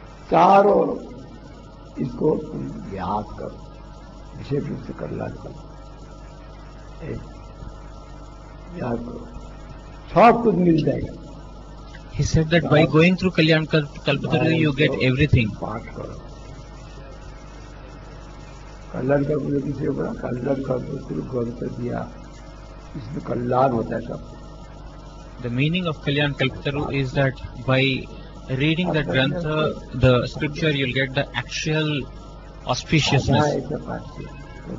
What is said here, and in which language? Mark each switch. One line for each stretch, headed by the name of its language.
Hindi: चारों इसको तुम याद करो विशेष रूप से कर लाकर याद करो सब कुछ मिल जाएगा.
English: He said that by going through Kalyan Kalpataru you get everything.
Hindi: पाठ करो कल्याण कल्पतरु किसी को कल्याण कल्पतरु ग्रंथ दिया इसमें कल्याण होता है सब.
English: The meaning of Kalyan Kalpataru is that by reading that grantha, the scripture, you'll get the actual auspiciousness.